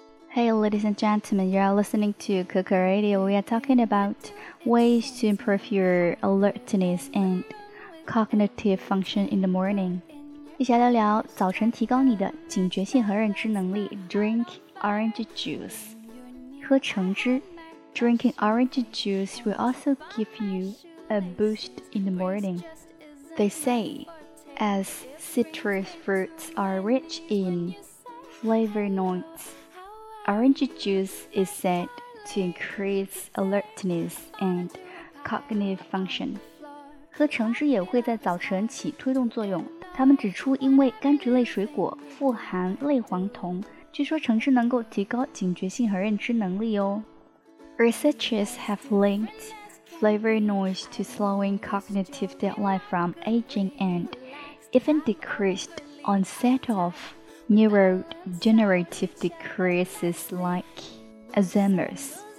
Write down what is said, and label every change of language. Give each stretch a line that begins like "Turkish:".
English: Hey, ladies and gentlemen, you are listening to Coco Radio. We are talking about ways to improve your alertness and cognitive function in the morning.
Chinese: 一起来聊聊早晨提高你的警觉性和认知能力。
English: Drink orange juice.
Chinese: 喝橙汁。
English: Drinking orange juice will also give you a boost in the morning. They say, as citrus fruits are rich in flavonoids, orange juice is said to increase alertness and cognitive function.
Chinese: 喝橙汁也会在早晨起推动作用。他们指出，因为柑橘类水果富含类黄酮，据说橙汁能够提高警觉性和认知能力哦。
English: Researchers have linked flavonoids to slowing cognitive decline from aging and even decreased onset of neurodegenerative diseases like Alzheimer's.